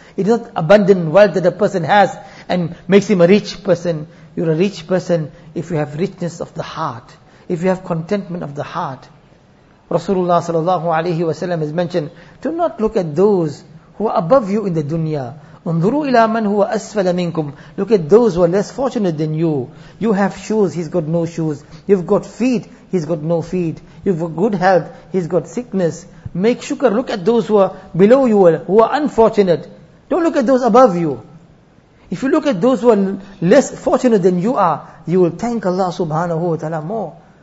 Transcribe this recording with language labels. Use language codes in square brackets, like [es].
[en] It is not abundant wealth that a person has and makes him a rich person. You're a rich person if you have richness of the heart. If you have contentment of the heart. Rasulullah sallallahu alayhi wa sallam has mentioned, do not look at those who are above you in the dunya. [ar] انظروا إلى من هو أسفل منكم. [en] Look at those who are less fortunate than you. You have shoes, he's got no shoes. You've got feet, he's got no feet. You've got good health, he's got sickness. Make shukr, look at those who are below you, who are unfortunate. Don't look at those above you. If you look at those who are less fortunate than you are, you will thank Allah subhanahu wa ta'ala more.